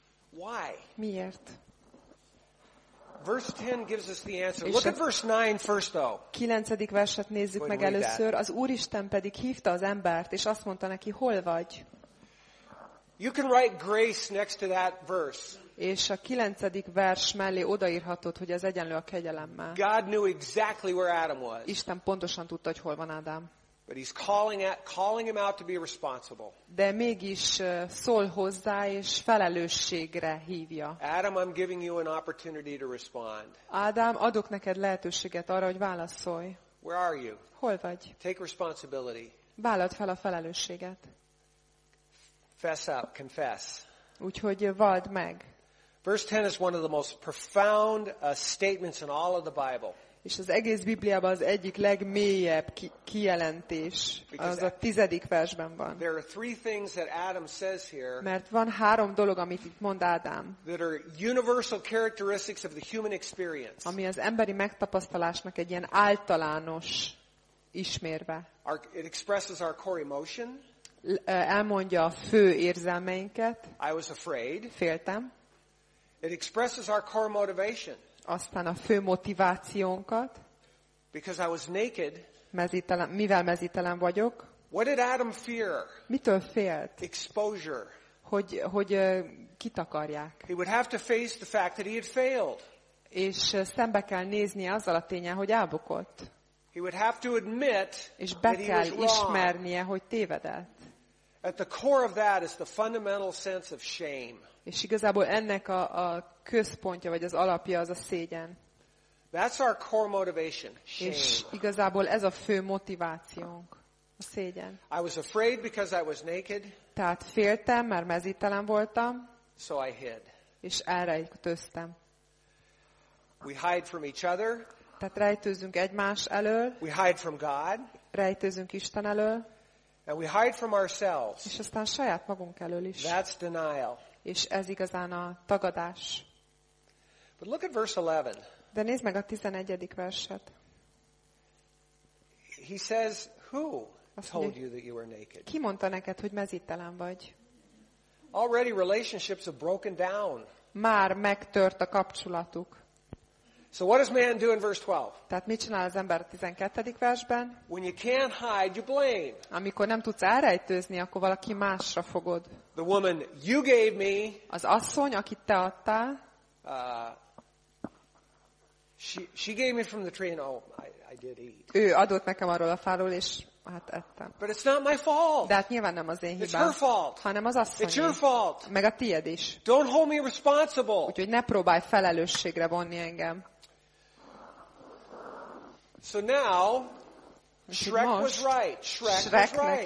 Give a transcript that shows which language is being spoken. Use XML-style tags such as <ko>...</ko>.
<en>Why?</en> <hu>Miért?</hu> <en>Verse 10 gives us the answer. Look at verse 9 first though.</en> <hu>9. verset nézzük meg először. Az Úristen pedig hívta az embert, és azt mondta neki, hol vagy?</hu> <en>You can write grace next to that verse.</en> <hu>És a 9. vers mellé odaírhatod, hogy ez egyenlő a kegyelemmel.</hu> <en>God knew exactly where Adam was.</en> <hu>Isten pontosan tudta, hogy hol van Ádám.</hu> <en>But he's calling him out to be responsible.</en> <hu>De mégis szól hozzá, és felelősségre hívja.</hu> <en>Adam, I'm giving you an opportunity to respond.</en> <hu>Ádám, adok neked lehetőséget arra, hogy válaszolj.</hu> <en>Where are you?</en> <hu>Hol vagy?</hu> <en>Take responsibility.</en> <hu>Vállald fel a felelősséget.</hu> <en>Fess up, confess.</en> <hu>Úgyhogy vald meg.</hu> <en>Verse 10 is one of the most profound statements in all of the Bible.</en> <hu>És az egész Bibliában az egyik legmélyebb kijelentés az a 10. versben van.</hu> <en>There are three things that Adam says here.</en> <hu>Mert van három dolog, amit itt mond Ádám.</hu> <en>That are universal characteristics of the human experience.</en> <hu>Ami az emberi megtapasztalásnak egy ilyen általános ismérve.</hu> <en>It expresses our core emotion.</en> <hu>Elmondja a fő érzelmeinket.</hu> <en>I was afraid.</en> <hu>Féltem.</hu> <en>It expresses our core motivation.</en> <hu>Aztán a fő motivációnkat.</hu> <en>Because I was naked.</en> <hu>Mezítelen, mivel mezítelen vagyok.</hu> <en>What did Adam fear?</en> <hu>Mitől félt?</hu> <en>Exposure.</en> <hu>Hogy kitakarják.</hu> <en>He would have to face the fact that he had failed.</en> <hu>És szembe kell nézni azzal a ténnyel, hogy elbukott.</hu> <en>He would have to admit</en> <hu>és be kell ismernie, hogy tévedett.</hu> <en>At the core of that is the fundamental sense of shame.</en> <hu>És igazából ennek a központja vagy az alapja az a szégyen.</hu> <en>That's our core motivation, shame.</en> <hu>És igazából ez a fő motivációnk, a szégyen.</hu> <en>I was afraid because I was naked.</en> <hu>Tehát féltem, mert mezítelen voltam.</hu> <en>So I hid.</en> <hu>És elrejtőztem.</hu> <en>We hide from each other.</en> <hu>Tehát rejtőzünk egymás elől.</hu> <en>We hide from God.</en> <hu>Rejtőzünk Isten elől.</hu> <en>And we hide from ourselves.</en> <hu>És aztán saját magunk elől is.</hu> <en>That's denial.</en> <hu>És ez igazán a tagadás.</hu> <en>But look at verse 11.</en> <hu>De nézd meg a 11. verset.</hu> <en>He says, who told you that you were naked?</en> <hu>Ki mondta neked, hogy mezítelen vagy?</hu> <en>Already relationships have broken down.</en> <hu>Már megtört a kapcsolatuk.</hu> <en>So what does man do in verse 12?</en> <hu>Tehát mit csinál az ember a 12. versben?</hu> <en>When you can't hide, you blame.</en> <hu>Amikor nem tudsz elrejtőzni, akkor valaki másra fogod.</hu> <en>The woman you gave me.</en> <hu>Az asszony, akit te adtál.</hu> <en>She gave me from the tree and I did eat.</en> <hu>Ő adott nekem arról a fáról és hát ettem.</hu> <en>But it's not my fault.</en> <hu>De hát nyilván nem az én hibám.</hu> <en>It's her fault.</en> <hu>Hanem az asszony.</hu> <en>It's your fault.</en> <hu>Meg a tied is.</hu> <en>Don't hold me responsible.</en> <hu>Úgyhogy ne próbálj felelősségre vonni engem.</hu> <en>So now Shrek was right. Shrek was right.</en>